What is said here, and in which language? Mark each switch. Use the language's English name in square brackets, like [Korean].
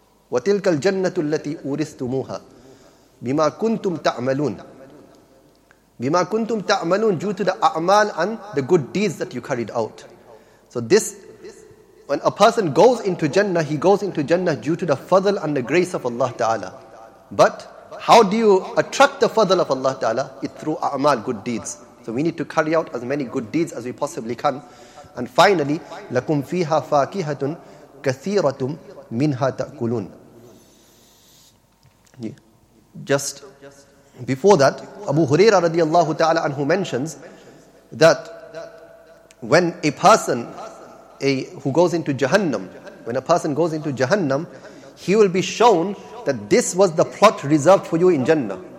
[Arabic] وَتِلْكَ الْجَنَّةُ الَّتِي أُورِثْتُمُوهَا بِمَا كُنْتُمْ تَعْمَلُونَ بِمَا كُنْتُمْ تَعْمَلُونَ [English] Due to the a'mal and the good deeds that you carried out. So this, when a person goes into Jannah, he goes into Jannah due to the fadl and the grace of Allah Ta'ala. But how do you attract the fadl of Allah Ta'ala? It's through a'mal, good deeds. So we need to carry out as many good deeds as we possibly can. [Arabic] And finally, لَكُمْ فِيهَا فَاكِهَةٌ كَثِيرَةٌ مِنْهَا تَأْكُلُونَ yeah. [English] Just before that, Abu Huraira radiallahu ta'ala anhu mentions that when a person who goes into Jahannam, when a person goes into Jahannam, he will be shown that this was the plot reserved for you in Jannah.